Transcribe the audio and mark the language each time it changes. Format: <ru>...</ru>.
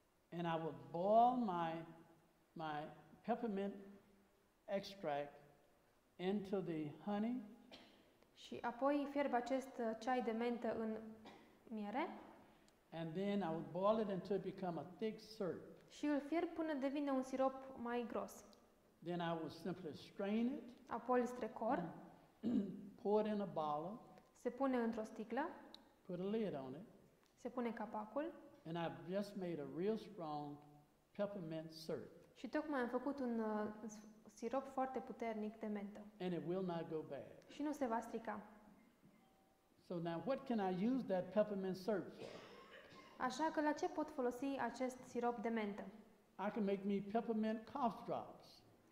<en>And I will boil my peppermint extract into the honey.</en> <ro>Și apoi fierb acest ceai de mentă în miere.</ro> <en>And then I will boil it until it becomes a thick syrup.</en> <ro>Și îl fierb până devine un sirop mai gros.</ro> <en>Then I will simply strain it.</en> <ro>Apoi îl strecor.</ro> <en>Pour it in a bottle.</en> <ro>Se pune într-o sticlă.</ro> <en>Put a lid on it.</en> <ro>Se pune capacul.</ro> <en>And I've just made a real strong peppermint syrup.</en> <ro>Și tocmai am făcut un sirop foarte puternic de mentă.</ro> <en>And it will not go bad.</en> <ro>Și nu se va strica.</ro> <en>So now what can I use that peppermint syrup for?</en> <ro>Așa că la ce pot folosi acest sirop de mentă?</ro> <en>I can make me peppermint cough drops.</en>